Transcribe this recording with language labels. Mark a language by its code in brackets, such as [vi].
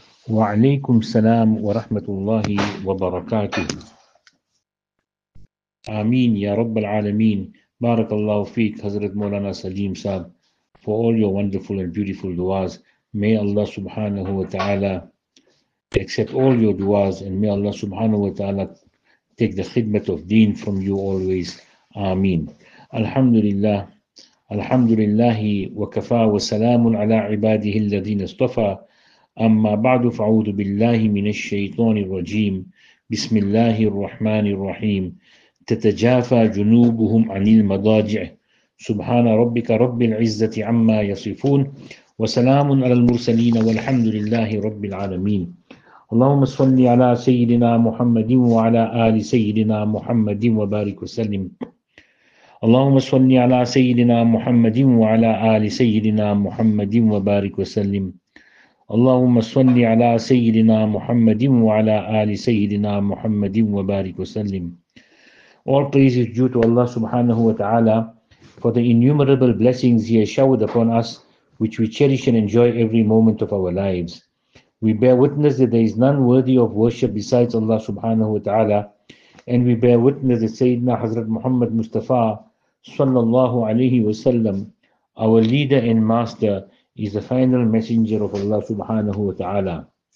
[ar] وعليكم السلام ورحمة الله وبركاته. آمين يا رب العالمين. بارك الله فيك حضرت مولانا سليم صاحب [en] for all your wonderful and beautiful du'as. May Allah subhanahu wa ta'ala accept all your du'as and may Allah subhanahu wa ta'ala take the khidmat of deen from you always. Ameen. Alhamdulillah. [ar] Alhamdulillahi wa kafa wa salamun ala ibadihi alladhina istafa. أما بعد فأعوذ بالله من الشيطان الرجيم بسم الله الرحمن الرحيم تتجافى جنوبهم عن المضاجع سبحان ربك رب العزة عما يصفون وسلام على المرسلين والحمد لله رب العالمين اللهم صل على سيدنا محمد وعلى آل سيدنا محمد وبارك وسلم اللهم صل على سيدنا محمد وعلى آل سيدنا محمد وبارك وسلم اللهم صل على سيدنا محمد وعلى آل سيدنا محمد وبارك وسلم. [en] All praise is due to Allah subhanahu wa ta'ala for the innumerable blessings He has showered upon us, which we cherish and enjoy every moment of our lives. We bear witness that there is none worthy of worship besides Allah subhanahu wa ta'ala, and we bear witness that Sayyidina Hazrat Muhammad Mustafa sallallahu alayhi wa sallam, our leader and master, is the final messenger of Allah subhanahu wa ta'ala.